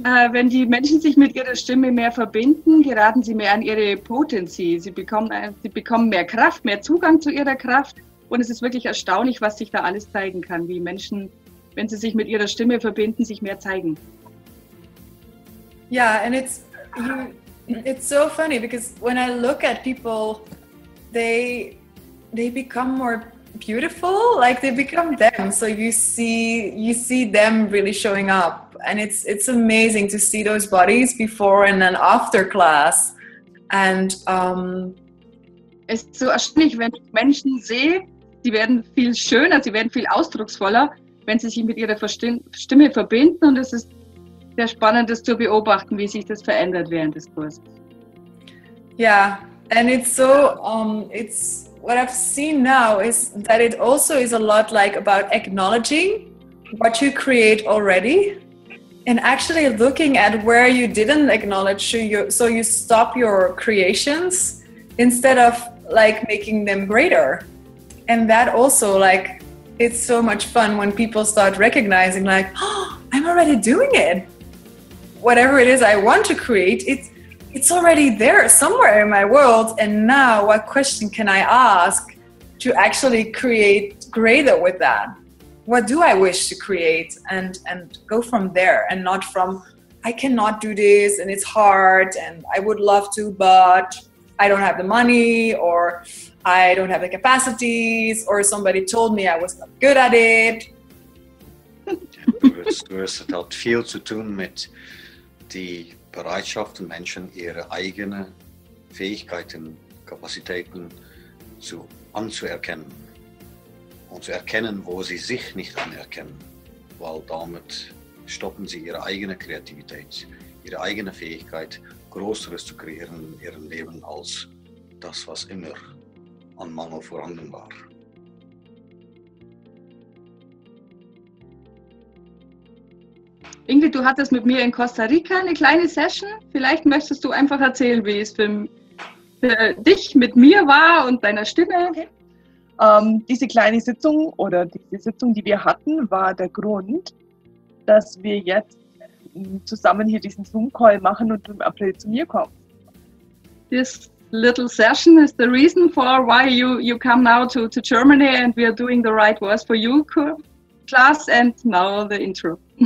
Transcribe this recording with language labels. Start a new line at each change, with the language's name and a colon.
German: Wenn die Menschen sich mit ihrer Stimme mehr verbinden, geraten sie mehr an ihre Potenzie. Sie bekommen mehr Kraft, mehr Zugang zu ihrer Kraft. Und es ist wirklich erstaunlich, was sich da alles zeigen kann, wie Menschen, wenn sie sich mit ihrer Stimme verbinden, sich mehr zeigen.
English: Yeah, and it's so funny, because when I look at people, they become more beautiful, like they become them. So you see them really showing up. And it's amazing to see those bodies before and then after class. And
German: es ist so erstaunlich, wenn ich Menschen sehe, sie werden viel schöner, sie werden viel ausdrucksvoller, wenn sie sich mit ihrer Stimme verbinden. Und es ist sehr spannend, das zu beobachten, wie sich das verändert während des Kurses.
English: Yeah, and it's so it's what I've seen now is that it also is a lot like about acknowledging what you create already. And actually looking at where you didn't acknowledge, so you stop your creations instead of like making them greater. And that also, like, it's so much fun when people start recognizing like, oh, I'm already doing it. Whatever it is I want to create, it's it's already there somewhere in my world. And now what question can I ask to actually create greater with that? What do I wish to create and go from there and not from, I cannot do this and it's hard and I would love to, but I don't have the money or I don't have the capacities or somebody told me I was not good at it.
German: Es hat viel zu tun mit die Bereitschaft der Menschen, ihre eigenen Fähigkeiten, Kapazitäten anzuerkennen. Und zu erkennen, wo sie sich nicht anerkennen. Weil damit stoppen sie ihre eigene Kreativität, ihre eigene Fähigkeit, Größeres zu kreieren in ihrem Leben als das, was immer an Mangel vorhanden war. Ingrid, du hattest mit mir in Costa Rica eine kleine Session. Vielleicht möchtest du einfach erzählen, wie es für dich mit mir war und deiner Stimme. Okay. Diese kleine Sitzung oder diese Sitzung, die wir hatten, war der Grund, dass wir jetzt zusammen hier diesen Zoom-Call machen und im April zu mir kommen.
English: This little session is the reason for why you come now to Germany and we are doing the Right Words for You class and now the intro.